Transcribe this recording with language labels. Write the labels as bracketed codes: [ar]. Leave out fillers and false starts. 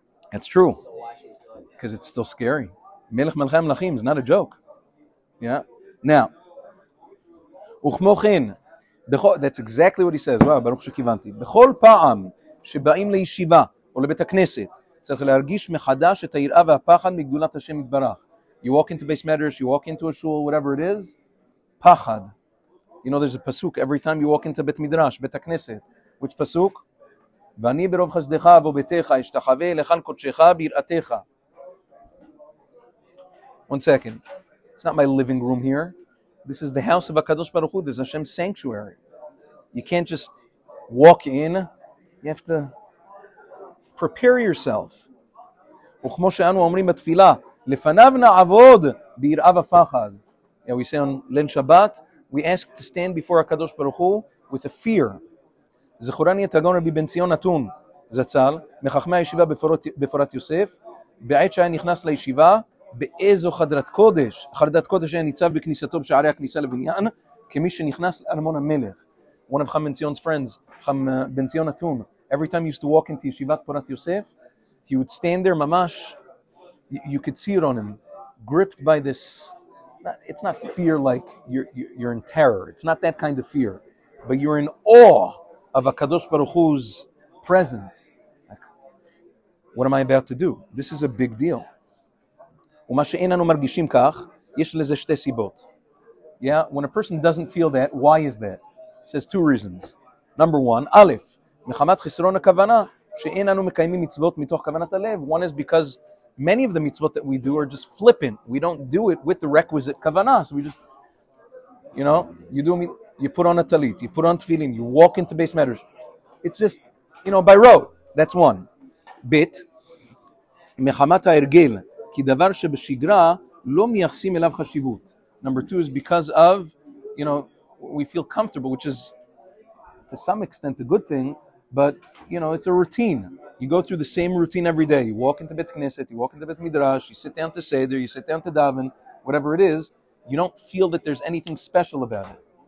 [en] That's true, because it's still scary. Melech Melechei Melechim is not a joke. Yeah. Now, וכמו כן, That's exactly what he says. Wow, Baruch Shekivanti. [he] Bechol pa'am שבאים לישיבה או לבית הכנסת, צריך להרגיש מחדש את היראה והפחד מגדולת השם יתברך. [en] You walk into base matters, you walk into a shul, whatever it is, פחד. You know, there's a pasuk every time you walk into בית מדרש, בית הכנסת. Which pasuk? [he] ואני ברוב חסדך ובתך, אשתחווה לכאן קודשך ביראתך. [en] One second. It's not my living room here. This is the house of HaKadosh Baruch Hu. This is Hashem's sanctuary. You can't just walk in. You have to prepare yourself. [he] וכמו שאנו אומרים בתפילה, לפניו נעבוד ביראה ופחד. [en] Yeah, we say on Lin Shabbat, we ask to stand before HaKadosh Baruch Hu with a fear. [he] זכורני את הגאון רבי בן ציון נתון, זצ"ל, מחכמי הישיבה בפורת יוסף, בעת שהיה נכנס לישיבה, באיזו חדרת קודש, חרדת קודש היה ניצב בכניסתו בשערי הכניסה לבניין, כמי שנכנס לארמון המלך. [en] One of Chaim Ben Zion's friends, Chaim Ben Zion Atun, every time he used to walk into Yeshivat Porat Yosef, he would stand there mamash, you could see it on him, gripped by this, it's not fear like you're in terror, it's not that kind of fear, but you're in awe of HaKadosh Baruch Hu's presence. Like, what am I about to do? This is a big deal. [he] ומה שאין אנו מרגישים כך, יש לזה שתי סיבות. [en] Yeah, when a person doesn't feel that, why is that? Says two reasons. Number one, [he] Aleph, מחמת חסרון הכוונה, שאין אנו מקיימים מצוות מתוך כוונת הלב. [en] One is because many of the מצוות that we do are just flippant. We don't do it with the requisite כוונה. So we just, you know, you put on a talit, you put on tefillin, you walk into base matters. It's just, you know, by rote. That's one. [he] Bit, מחמת ההרגל, כי דבר שבשגרה לא מייחסים אליו חשיבות. [en] Number two is because of, you know, we feel comfortable, which is to some extent a good thing, but you know, it's a routine. You go through the same routine every day. You walk into Bet Knesset, you walk into Bet Midrash, you sit down to Seder, you sit down to Daven, whatever it is, you don't feel that there's anything special about it.